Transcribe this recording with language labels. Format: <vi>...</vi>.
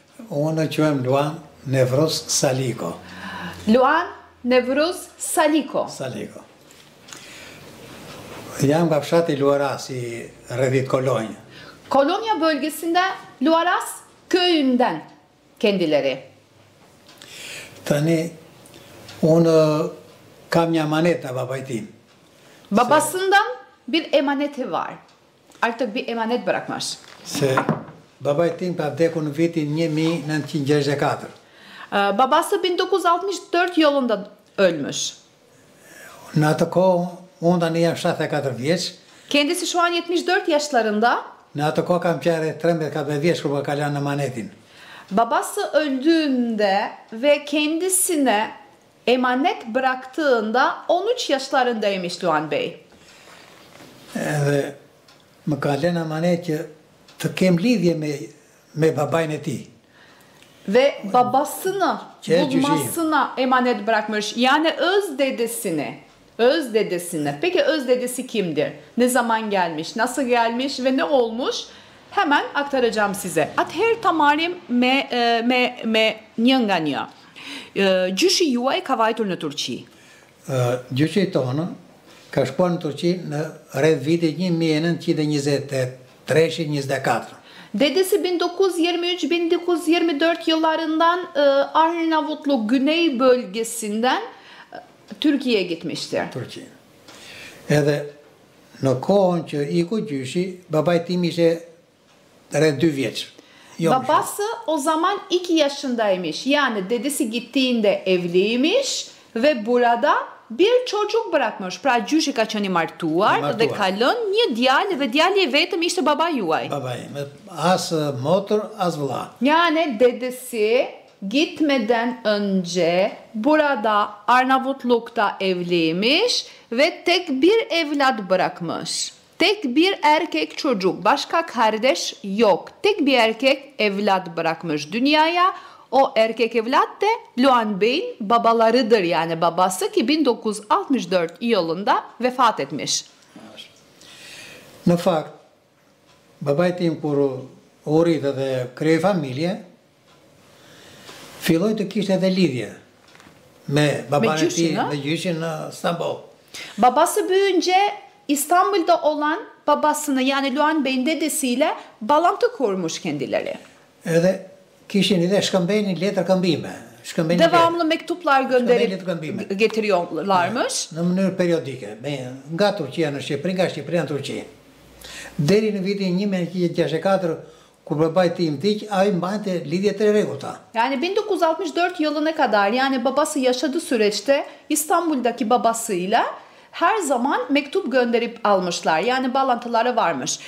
<tr>Onu çoğum Luan Nevruz Saliko. Luan Nevruz Saliko. Saliko.</tr> <sq>Jam nga fshati Luarasi, rrëdhit Kolonja.</sq> <tr>Kolonja bölgesinde Luaras köyünden kendileri.</tr> <sq>Tani, unë kam një emanet në babaj tim.</sq> <tr>Babasından bir emaneti var. Artık bir emanet bırakmış.</tr> <sq>Se babaj tim pa vdeku në vitin 1964.</sq> <tr>Babası 1964 yılında ölmüş.</tr> <sq>Në atë kohë, unë tani jam 74 vjeç.</sq> <tr>Kendisi şu an 74 yaşlarında.</tr> <sq>Në atë kohë kam qare 13-14 vjeç kur më ka lënë emanetin.</sq> <tr>Babası öldüğünde ve kendisine emanet bıraktığında 13 yaşlarındaymış Luan Bey.</tr> <sq>Edhe më ka lënë emanet që të kem lidhje me babajnë e tij.</sq> <tr>Ve babasını bulmasına emanet bırakmış. Yani öz dedesini. Öz dedesini. Peki öz dedesi kimdir? Ne zaman gelmiş? Nasıl gelmiş? Ve ne olmuş? Hemen aktaracağım size. At her tamarim me njënga njo.</tr> <sq>Gjyshi juaj ka vajtur në Turqi? Gjyshi tonë ka shkuar në Turqi në rreth vitit 1923-24.</sq> <tr>Dedesi 1923-1924 yıllarından Arnavutlu Güney bölgesinden Türkiye'ye gitmiştir. Türkiye.</tr> <sq>Edhe në kohën që iku gjyshi, babaj tim ishte rreth 2 vjeç.</sq> <tr>Babası o zaman 2 yaşındaymış. Yani dedesi gittiğinde evliymiş ve burada bir çocuk bırakmış.</tr> <sq>Pra gjyshi ka qenë martuar dhe ka lënë një djalë dhe djali i vetëm ishte baba juaj. Babai, as motër, as vëlla.</sq> <tr>Yani dedesi gitmeden önce burada Arnavutluk'ta evliymiş ve tek bir evlat bırakmış. Tek bir erkek çocuk, başka kardeş yok. Tek bir erkek evlat bırakmış dünyaya. O erkek evlat da Luan Bey'in babalarıdır, yani babası ki 1964 yılında vefat etmiş.</tr> <sq>Në fakt, babaj tim kur u rrit dhe krijoi familje, filloi të kishte edhe lidhje me babanë e tij, me gjyshin në Stambol.</sq> <tr>Babası büyünce İstanbul'da olan babasını, yani Luan Bey'in dedesiyle bağlantı kurmuş kendileri.</tr> <sq>Edhe kishin edhe shkëmbeni letër këmbime.</sq> <tr>Shkëmbeni devamlı mektuplar gönderip getiriyorlarmış.</tr> <sq>Në mënyrë periodike, nga Turqia në Shqipëri, nga Shqipëria në Turqi. Deri në vitin 1964, kur babai tim vdiq, ai mbante lidhje të rregullta.</sq> <tr>Yani 1964 yılına kadar, yani babası yaşadığı süreçte İstanbul'daki babasıyla her zaman mektup gönderip almışlar. Yani bağlantıları varmış.</tr>